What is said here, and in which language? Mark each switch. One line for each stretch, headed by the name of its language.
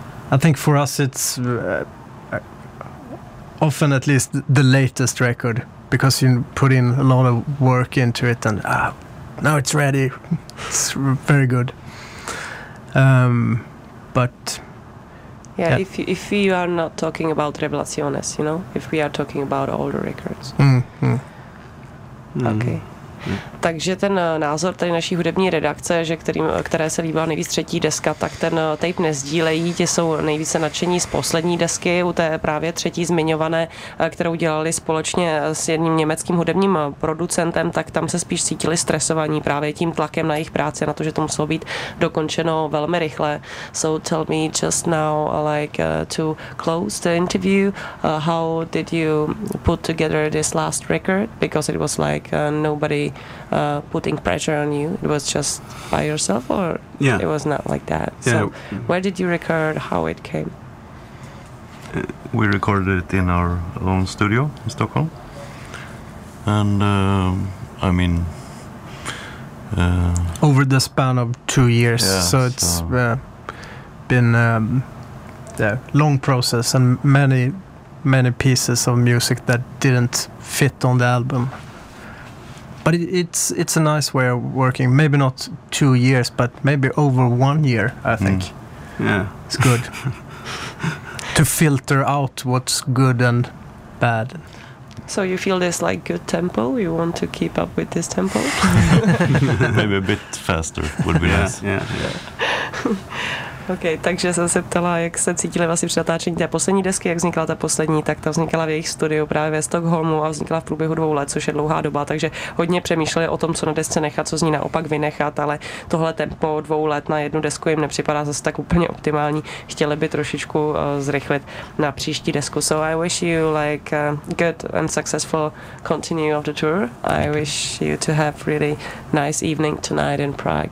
English: I think for us it's often at least the latest record, because you put in a lot of work into it and now it's ready. It's very good. But yeah, if you are not talking about Revelaciones, you know, if we are talking about older records. Okay.
Czech: Takže ten názor tady naší hudební redakce, že které se líbila nejvíc třetí deska, tak ten tape nezdílejí, ti jsou nejvíce nadšení z poslední desky, u té právě třetí zmiňované, kterou dělali společně s jedním německým hudebním producentem, tak tam se spíš cítili stresovaní právě tím tlakem na jejich práci, na to, že to muselo být dokončeno velmi rychle.
English: So tell me just now, like to close the interview, how did you put together this last record, because it was like nobody putting pressure on you, it was just by yourself, or yeah, it was not like that. Yeah. So where did you record, how it came? We recorded it in our own studio in Stockholm, and I mean over the span of 2 years. Yeah, so it's been a long process and many pieces of music that didn't fit on the album. But it's a nice way of working. Maybe not 2 years, but maybe over 1 year, I think. Yeah. It's good. To filter out what's good and bad. So you feel this like good tempo? You want to keep up with this tempo? Maybe a bit faster would be nice. Yeah.
Czech: OK, takže jsem se ptala, jak se cítili vlastně při natáčení té poslední desky, jak vznikla ta poslední, tak ta vznikala v jejich studiu právě ve Stockholmu a vznikla v průběhu 2 let, což je dlouhá doba, takže hodně přemýšleli o tom, co na desce nechat, co z ní naopak vynechat, ale tohle tempo 2 let na jednu desku jim nepřipadá zase tak úplně optimální. Chtěli by trošičku zrychlit na příští desku.
English: So I wish you like a good and successful continue of the tour. I wish you to have really nice evening tonight in Prague.